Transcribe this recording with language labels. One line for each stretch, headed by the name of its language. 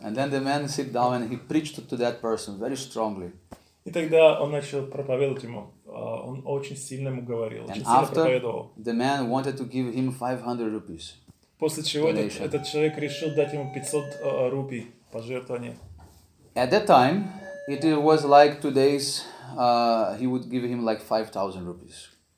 English: And then the man sit down and he preached to that person very strongly.
Russian: И тогда он начал проповедовать ему. Он очень сильно ему говорил.
English: And after, the man wanted to give him 500 rupees.
Russian: После чего этот человек решил дать ему 500 рупий пожертвования.
English: At that time, it was like 2 days, he would give him like 5,000 rupees.